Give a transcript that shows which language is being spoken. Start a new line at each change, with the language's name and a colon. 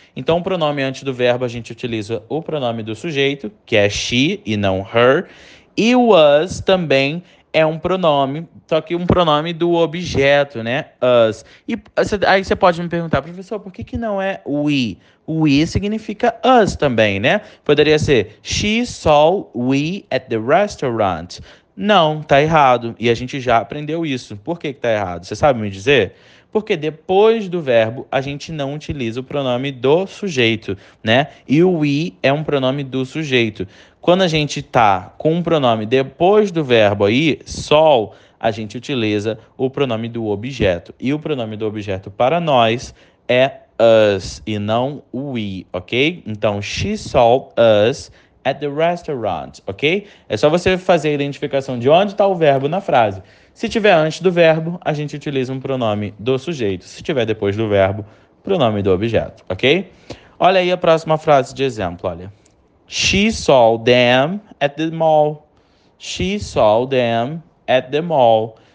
Portuguese: Então, o pronome antes do verbo, a gente utiliza o pronome do sujeito, que é she e não her. E was também é um pronome, só que um pronome do objeto, né? Us. E aí você pode me perguntar, professor, por que não é we? We significa us também, né?
English: Poderia ser she saw we at the restaurant.
Portuguese: Não, tá errado. E a gente já aprendeu isso. Por que tá errado? Você sabe me dizer? Porque depois do verbo, a gente não utiliza o pronome do sujeito, né? E o we é um pronome do sujeito. Quando a gente tá com um pronome depois do verbo aí, saw, a gente utiliza o pronome do objeto. E o pronome do objeto para nós é us e não we, ok?
English: Então, she saw us at the restaurant, ok?
Portuguese: É só você fazer a identificação de onde está o verbo na frase. Se tiver antes do verbo, a gente utiliza um pronome do sujeito. Se tiver depois do verbo, pronome do objeto, ok? Olha aí a próxima frase de exemplo, olha.
English: She saw them at the mall. She saw them at the mall.